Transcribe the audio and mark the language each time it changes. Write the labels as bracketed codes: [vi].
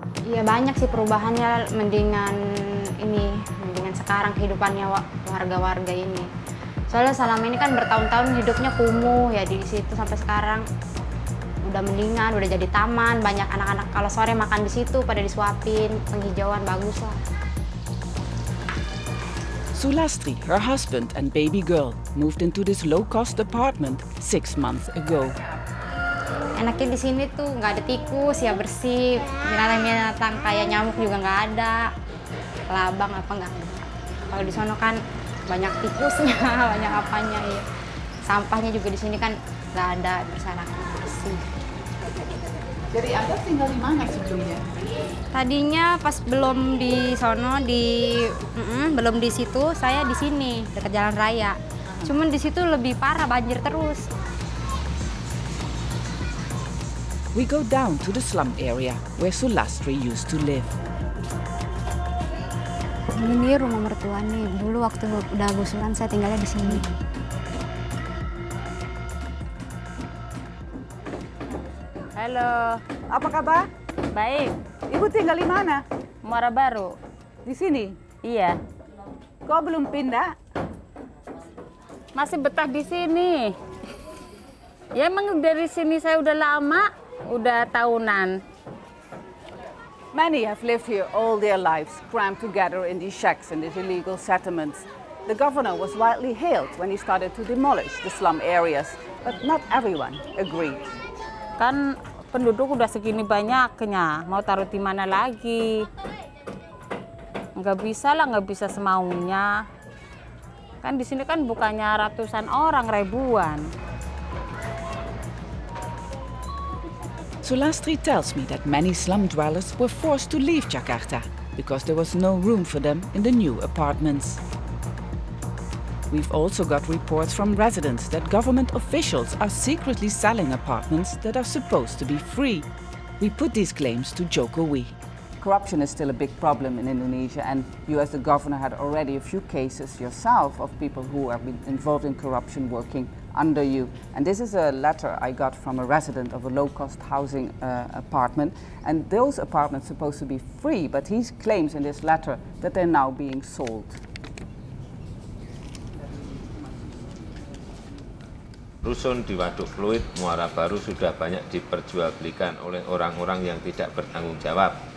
[id] Iya banyak sih perubahannya, mendingan ini, mendingan sekarang kehidupannya warga-warga ini. Soalnya selama ini kan bertahun-tahun hidupnya kumuh ya di situ, sampai sekarang udah mendingan, udah jadi taman, banyak anak-anak kalau sore makan di situ, pada disuapin, penghijauan bagus lah. [en] Sulastri, her husband and baby girl, moved into this low-cost apartment 6 months ago. [id] Enaknya di sini tuh nggak ada tikus, ya bersih, binatang-binatang kayak nyamuk juga nggak ada, labang apa nggak. Kalau di sono kan banyak tikusnya, banyak apanya, ya. Sampahnya juga di sini kan nggak ada, bersarang bersih. Jadi Anda tinggal di mana sebelumnya? Tadinya pas belum di sono, belum di situ, saya di sini, dekat jalan raya. Cuman di situ lebih parah, banjir terus. [en] We go down to the slum area where Sulastri used to live. [id] Ini rumah mertua nih. Dulu waktu udah gusuran saya tinggalnya di sini. Halo, apa kabar? Baik. Ibu tinggal di mana? Muara Baru. Di sini? Iya. Kok belum pindah? Masih betah di sini. Ya emang dari sini saya udah lama, udah tahunan. [en] Many have lived here all their lives, crammed together in these shacks and these illegal settlements. The governor was widely hailed when he started to demolish the slum areas, but not everyone agreed. [id] Kan penduduk udah segini banyaknya, mau taruh di mana lagi? Nggak bisa lah, nggak bisa semaunya. Kan di sini kan bukannya ratusan orang, ribuan. [en] Sulastri tells me that many slum dwellers were forced to leave Jakarta because there was no room for them in the new apartments. We've also got reports from residents that government officials are secretly selling apartments that are supposed to be free. We put these claims to Jokowi. Corruption is still a big problem in Indonesia, and you as the governor had already a few cases yourself of people who have been involved in corruption working under you. And this is a letter I got from a resident of a low-cost housing apartment, and those apartments are supposed to be free, but he claims in this letter that they're now being sold. [id] Rusun di Waduk Fluid, Muara Baru sudah banyak diperjualbelikan oleh orang-orang yang tidak bertanggung jawab.